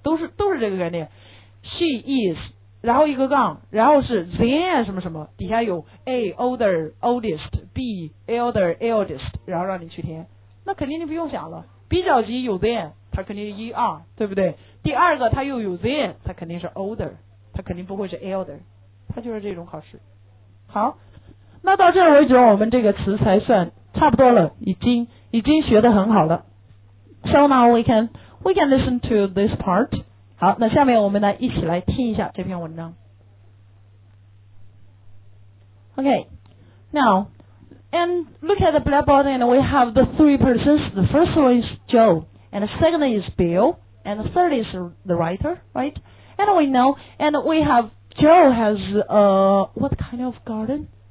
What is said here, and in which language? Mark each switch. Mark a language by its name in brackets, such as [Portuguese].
[Chinese] 都是这个概念 [English] she is [Chinese] 然后一个杠然后是 then 什么什么底下有 [English] a older oldest b elder eldest [Chinese] 然后让你去填，那肯定你不用想了，比较级有 then 它肯定是一二，对不对？第二个它又有 then 它肯定是 older， 它肯定不会是 elder， 它就是这种考试。好，那到这儿为止我们这个词才算差不多了，已经学得很好了。 [English] So now we can listen to this part. [Chinese] 好，那下面我们来一起来听一下这篇文章。 [English] OK, now and look at the blackboard and we have the three persons. The first one is Joe and the second is Bill and the third is the writer, right? And we know and we have Joe has a what kind of garden?